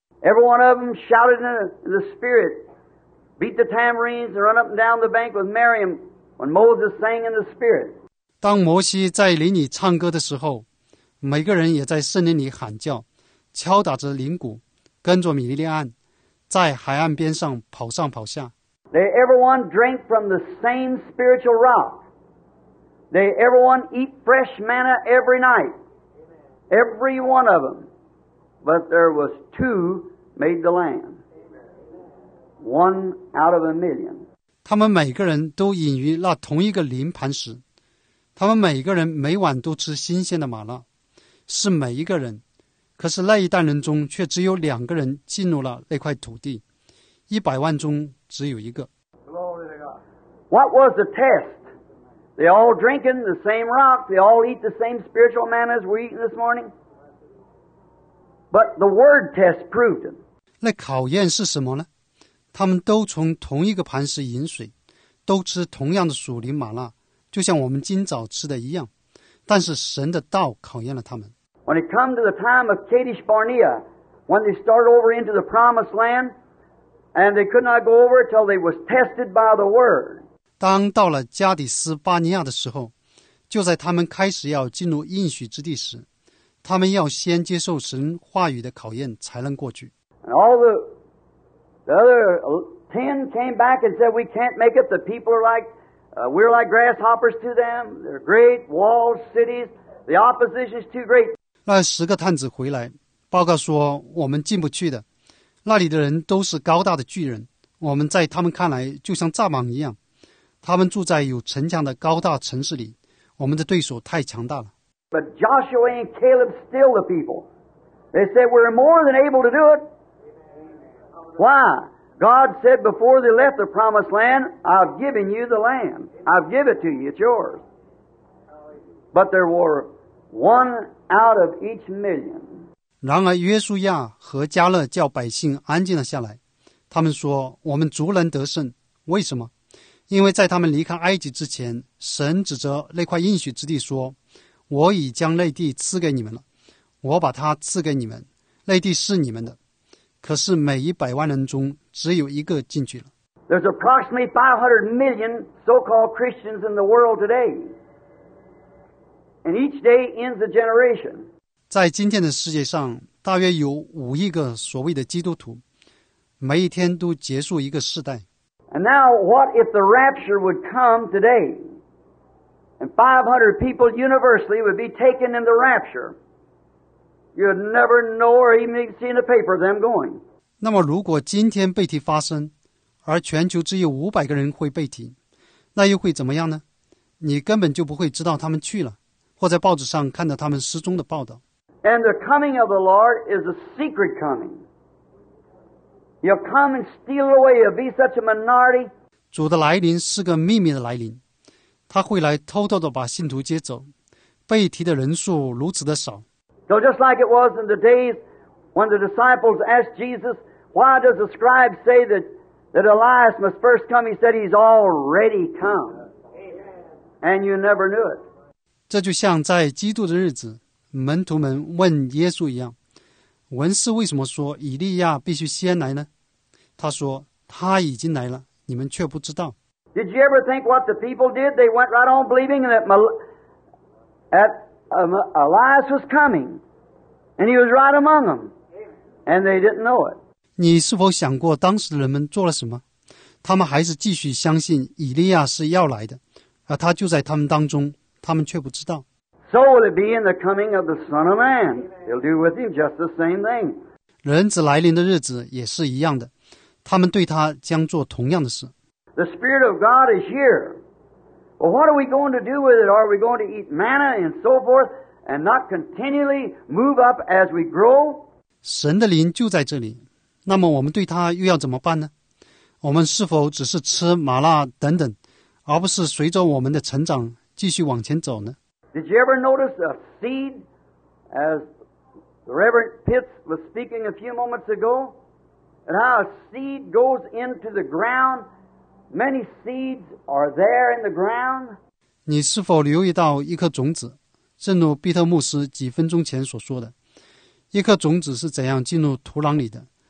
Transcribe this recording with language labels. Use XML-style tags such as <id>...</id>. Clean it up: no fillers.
<en>Every one of them shouted in the spirit, beat the tambourines and run up and down the bank with Miriam when Moses sang in the spirit.</en> <zh>当摩西在林里唱歌的时候，每个人也在圣灵里喊叫，敲打着铃鼓，跟着米利利安，在海岸边上跑上跑下。</zh> <en>They everyone drank from the same spiritual rock. They everyone eat fresh manna every night. Every one of them. But there was two made the land. One out of a million.</en> <zh>他们每个人都饮于那同一个灵磐石。他们每个人每晚都吃新鲜的玛纳，是每一个人。可是那一代人中却只有两个人进入了那块土地。一百万中只有一个。</zh> <en>What was the test? They all drinking the same rock. They all eat the same spiritual manna as we're eating this morning. But the word test proved them.</en> <zh>那考验是什么呢？他们都从同一个磐石饮水，都吃同样的属灵玛纳，就像我们今早吃的一样。但是神的道考验了他们。</zh> <en>When it come to the time of Kadesh Barnea, when they start over into the promised land. And they could not go over till they was tested by the word.</en> <zh>当到了加底斯巴尼亚的时候，就在他们开始要进入应许之地时，他们要先接受神话语的考验才能过去。</zh> <en>And all the other 10 came back and said, "We can't make it. The people are like, we're like grasshoppers to them. They're great walled cities. The opposition is too great."</en> <zh>那十个探子回来，报告说我们进不去的。那里的人都是高大的巨人，我们在他们看来就像蚱蜢一样。他们住在有城墙的高大城市里，我们的对手太强大了。</zh> <en>But Joshua and Caleb still the people. They said we're more than able to do it. Why? God said before they left the promised land, I've given you the land. I've given it to you. It's yours. But there were one out of each million.</en> <zh>然而约书亚和加勒叫百姓安静了下来，他们说我们足能得胜，为什么？因为在他们离开埃及之前，神指着那块应许之地说，我已将那地赐给你们了，我把它赐给你们，那地是你们的。可是每一百万人中只有一个进去了。</zh> <en>There's approximately 500 million so-called Christians in the world today, and each day ends a generation.</en> <zh>在今天的世界上，大约有5亿个所谓的基督徒，每一天都结束一个世代。</zh> <en>And now, what if the rapture would come today, and 500 people universally would be taken in the rapture? You'd never know or even see in the paper them going.</en> <zh>那么，如果今天被提发生，而全球只有500个人会被提，那又会怎么样呢？你根本就不会知道他们去了，或在报纸上看到他们失踪的报道。</zh> <en>And the coming of the Lord is a secret coming. He'll come and steal away. He'll be such a minority.</en> <zh>主的来临是个秘密的来临，他会来偷偷地把信徒接走。被提的人数如此的少。</zh> <en>So just like it was in the days when the disciples asked Jesus, "Why does the scribe say that Elias must first come?" He said, "He's already come, and you never knew it."</en> <zh>这就像在基督的日子。门徒们问耶稣一样，文士为什么说以利亚必须先来呢？他说他已经来了，你们却不知道。</zh> <en>Did you ever think what the people did? They went right on believing that Elias was coming, and he was right among them, and they didn't know it.</en> <zh>你是否想过当时的人们做了什么？他们还是继续相信以利亚是要来的，而他就在他们当中，他们却不知道。</zh> <en>So will it be in the coming of the Son of Man? He'll do with him just the same thing.</en> <zh>人子来临的日子也是一样的，他们对他将做同样的事。</zh> <en>The Spirit of God is here. Well, what are we going to do with it? Are we going to eat manna and so forth, and not continually move up as we grow?</en> <zh>神的灵就在这里，那么我们对他又要怎么办呢？我们是否只是吃麻辣等等，而不是随着我们的成长继续往前走呢？</zh> <en>Did you ever notice a seed, as the Reverend Pitts was speaking a few moments ago, and how a seed goes into the ground? Many seeds are there in the ground.</en> <zh>你是否留意到一颗种子？正如彼得牧师几分钟前所说的，一颗种子是怎样进入土壤里的？</zh>